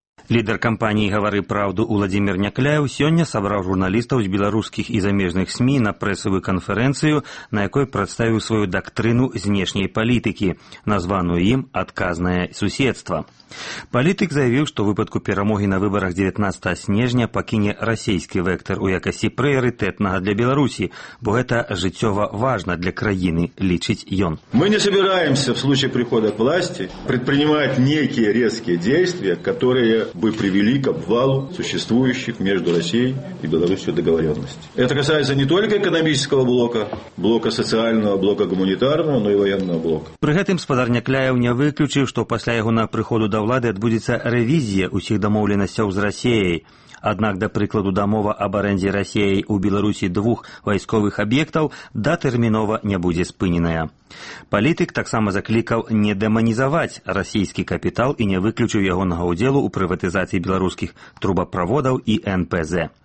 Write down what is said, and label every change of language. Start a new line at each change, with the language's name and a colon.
Belarusian: Лідар кампаніі «Гавары праўду» Уладзімір Някляеў сёння сабраў журналістаў з беларускіх і замежных СМІ на прэсавую канферэнцыю, на якой прадставіў сваю дактрыну знешняй палітыкі, названую ім «Адказнае суседства». Палітык заявіў, што ў выпадку перамогі на выбарах 19 снежня пакіне расійскі вектар у якасці прыярытэтнага для Беларусі, бо гэта жыццёва важна для краіны, лічыць ён.
Russian: Мы не собираемся в случае прихода к власти предпринимать некие резкие действия, которые бы привели к обвалу существующих между Россией и Беларусью договоренностей. Это касается не только экономического блока, блока социального, блока гуманитарного, но и военного блока.
Belarusian: При гэтым спадар Някляеў не выключыў, што пасля яго на прыходу да влады адбудзецца рэвізія ўсіх дамоўленасцяў з Расіяй. Аднак, да прыкладу, дамова аб арэндзе Расіяй у Беларусі двух вайсковых аб'ектаў датэрмінова не будзе спыненая. Палітык таксама заклікаў не дэманізаваць расійскі капітал і не выключыў ягонага ўдзелу ў прыватызацыі беларускіх трубаправодаў і НПЗ.